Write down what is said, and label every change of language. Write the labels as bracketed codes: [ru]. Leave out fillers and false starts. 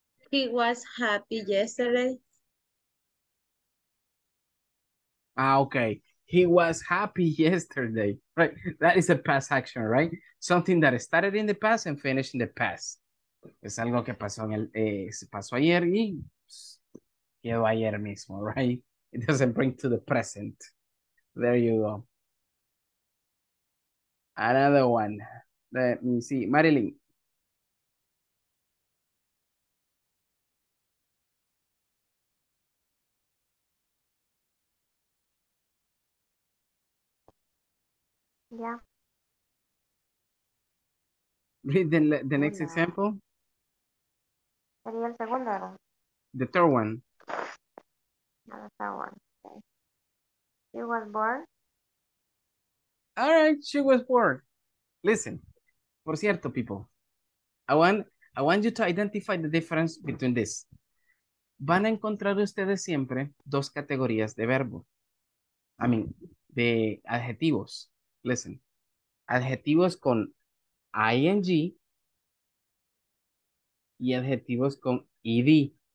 [en] He was happy yesterday. Ah, okay. He was happy yesterday, right? That is a past action, right? Something that started in the past and finished in the past. [es] Es algo que pasó en el, se pasó ayer y quedó ayer mismo, right? [en] It doesn't bring to the present. There you go. Another one. Let me see. Marilyn. Yeah. Read the next example. [es] Sería el segundo, ¿verdad? [en] The third one. The third one. Okay. He was born. All right, she was born. Listen, [es] por cierto, [en] people, I want you to identify the difference between this. [es] Van a encontrar ustedes siempre dos categorías de verbo. I mean, de adjetivos. Listen, adjetivos con ing y adjetivos con ed.